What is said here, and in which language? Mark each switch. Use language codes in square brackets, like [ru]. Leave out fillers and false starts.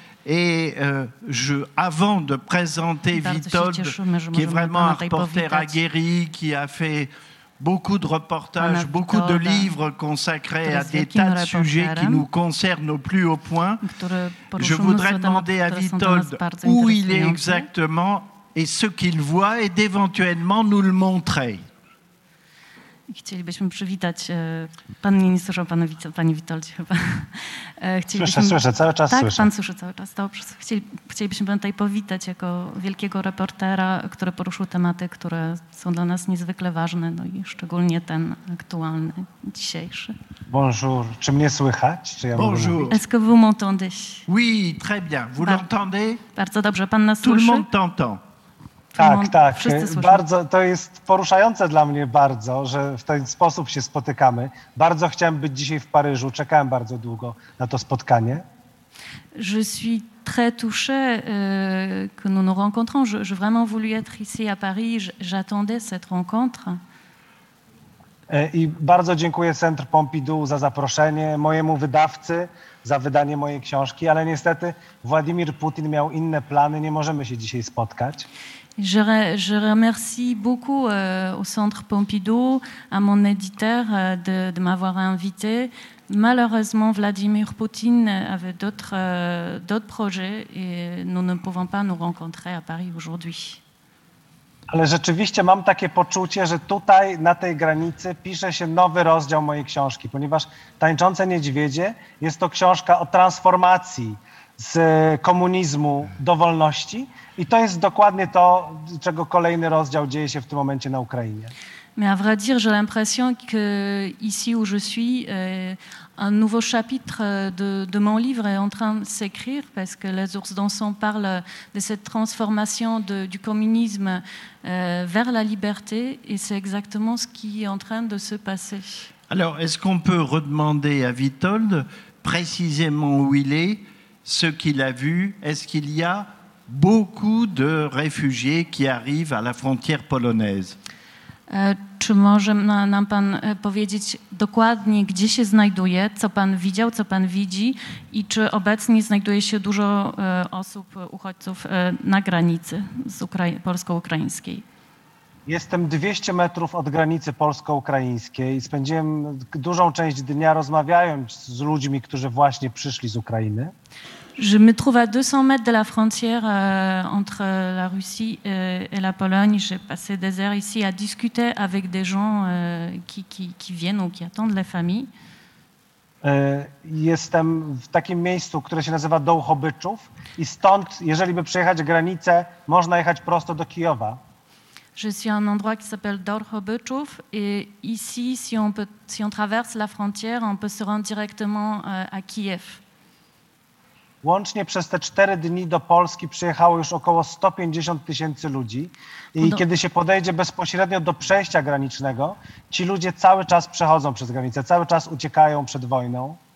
[fr] Et avant de présenter Witold, qui est vraiment un reporter aguerri, qui a fait beaucoup de reportages, beaucoup de livres consacrés à des tas de sujets qui nous concernent au plus haut point. Je voudrais demander à Witold où il est exactement et ce qu'il voit et d'éventuellement nous le montrer. [pl] Chcielibyśmy przywitać. Pan mnie nie słyszał, panie Witoldzie chyba. Słyszę, cały czas tak, słyszę. Tak, pan słyszy cały czas. Dobrze. Chcielibyśmy pana tutaj powitać jako wielkiego reportera, który poruszył tematy, które są dla nas niezwykle ważne, no i szczególnie ten aktualny, dzisiejszy. [fr] Bonjour. [pl] Czy mnie słychać? Czy ja [fr] bonjour. Est-ce que vous m'entendez? Oui, très bien. Vous l'entendez? [pl] Bardzo dobrze. Pan nas [fr] tout [pl] słyszy? [fr] Tout le monde t'entend. [pl] Tak, tak. Bardzo, to jest poruszające dla mnie bardzo, że w ten sposób się spotykamy. Bardzo chciałem być dzisiaj w Paryżu. Czekałem bardzo długo na to spotkanie. [fr] Je suis très touchée que nous nous rencontrons. Je vraiment voulu être ici à Paris. J'attendais cette rencontre. [pl] I bardzo dziękuję Centrum Pompidou za zaproszenie, mojemu wydawcy za wydanie mojej książki, ale niestety Władimir Putin miał inne plany, nie możemy się dzisiaj spotkać. [fr] Je remercie beaucoup au Centre Pompidou, à mon éditeur de m'avoir invité. Malheureusement, Vladimir Poutine avait d'autres projets et nous ne pouvons pas nous rencontrer à Paris aujourd'hui. [pl] Ale rzeczywiście mam takie poczucie, że tutaj, na tej granicy, pisze się nowy rozdział mojej książki, ponieważ Tańczące Niedźwiedzie jest to książka o transformacji z komunizmu do wolności i to jest dokładnie to, czego kolejny rozdział dzieje się w tym momencie na Ukrainie. [fr] Mais à vrai dire, j'ai l'impression que ici où je suis, un nouveau chapitre de mon livre est en train de s'écrire, parce que Les Ours dansants parlent de cette transformation du communisme vers la liberté, et c'est exactement ce qui est en train de se passer. Alors, est-ce qu'on peut redemander à Witold précisément où il est, ce qu'il a vu? Est-ce qu'il y a beaucoup de réfugiés qui arrivent à la frontière polonaise? [pl] Czy może nam pan powiedzieć dokładnie, gdzie się znajduje, co pan widział, co pan widzi i czy obecnie znajduje się dużo osób, uchodźców na granicy z polsko-ukraińskiej? Jestem 200 metrów od granicy polsko-ukraińskiej i spędziłem dużą część dnia rozmawiając z ludźmi, którzy właśnie przyszli z Ukrainy. [fr] Je me trouve à 200 mètres de la frontière entre la Russie et la Pologne. J'ai passé des heures ici à discuter avec des gens qui viennent ou qui attendent les familles. [pl] Jestem w takim miejscu, które się nazywa Dołhobyczów i stąd, jeżeli by przejechać granicę, można jechać prosto do Kijowa. [fr] Je suis à un endroit qui s'appelle Dołhobyczów et ici, si on traverse la frontière, on peut se rendre directement à Kiev. [pl] Łącznie przez te 4 dni do Polski przyjechało już około 150 tysięcy ludzi i kiedy się podejdzie bezpośrednio do przejścia granicznego, ci ludzie cały czas przechodzą przez granicę, cały czas uciekają przed wojną.